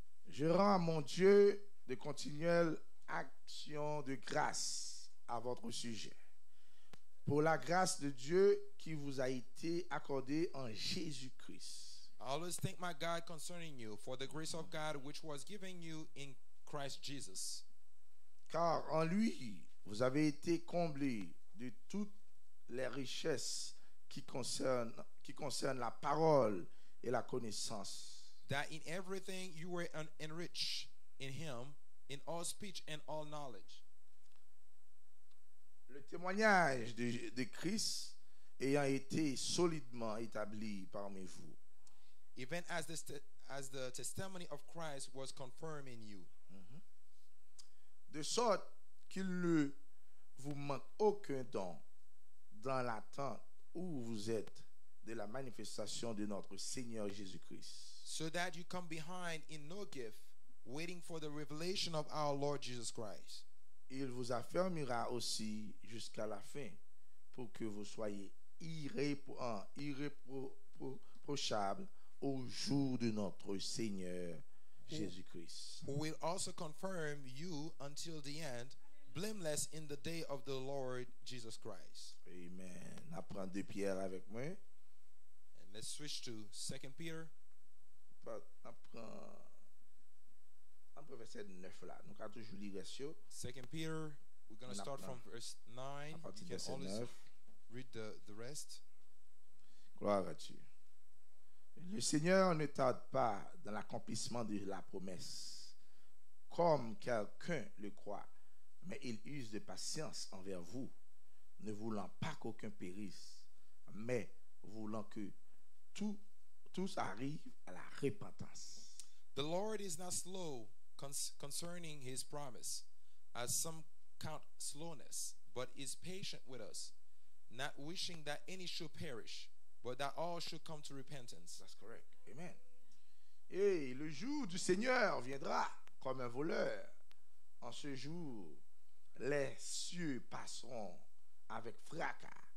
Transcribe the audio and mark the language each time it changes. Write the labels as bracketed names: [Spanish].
[French] Je rends à mon Dieu de continuel action de grâce à votre sujet pour la grâce de Dieu qui vous a été accordée en Jésus Christ. [English] I always thank my God concerning you for the grace of God which was given you in Christ Jesus. [French] Car en lui vous avez été comblés de toutes les richesses qui concernent la parole et la connaissance. [English] That in everything you were enriched in him, in all speech and all knowledge. [French] Le témoignage de Christ ayant été solidement établi parmi vous. [English] Even as the testimony of Christ was confirmed in you. [French] De sorte qu'il ne vous manque aucun don dans l'attente où vous êtes de la manifestation de notre Seigneur Jésus-Christ. [English] So that you come behind in no gift, waiting for the revelation of our Lord Jesus Christ. [French] Il vous affermira aussi jusqu'à la fin pour que vous soyez irréprochables au jour de notre Seigneur Jésus-Christ. [English] Who will also confirm you until the end, blameless in the day of the Lord Jesus Christ. [French] Amen. Apprends de Pierre avec moi. [English] And let's switch to 2 Peter. [French] Apprends verset 9 là. Nous allons toujours lire ça. [English] 2 Peter, we're going to start from verse 9. You can always read the rest. [French] Gloire à Dieu. Le Seigneur ne tarde pas dans l'accomplissement de la promesse, comme quelqu'un le croit, mais il use de patience envers vous, ne voulant pas qu'aucun périsse, mais voulant que tous arrivent à la repentance. [English] The Lord is not slow concerning his promise, as some count slowness, but is patient with us, not wishing that any should perish, but that all should come to repentance. That's correct. Amen. [French] Et le jour du Seigneur viendra comme un voleur. En ce jour, les cieux passeront avec fracas.